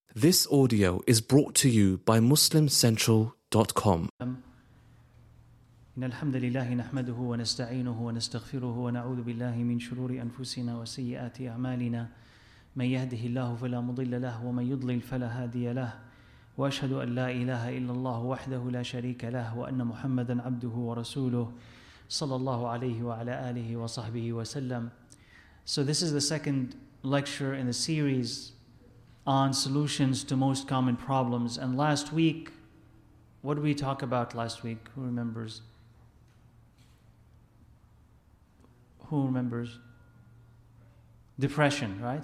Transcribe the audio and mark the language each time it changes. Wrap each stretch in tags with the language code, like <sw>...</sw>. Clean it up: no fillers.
<en>This audio is brought to you by MuslimCentral.com.</en> <ar>إن الحمد لله نحمده ونستعينه ونستغفره ونعوذ بالله من شرور أنفسنا وسيئات أعمالنا من يهده الله فلا مضل له ومن يضلل فلا هادي له وأشهد أن لا إله إلا الله وحده لا شريك له وأن محمدا عبده ورسوله صلى الله عليه وعلى آله وصحبه وسلم.</ar> <en>So this is the second lecture in the series on solutions to most common problems. And last week, what did we talk about last week? Who remembers? Who remembers? Depression, right?</en>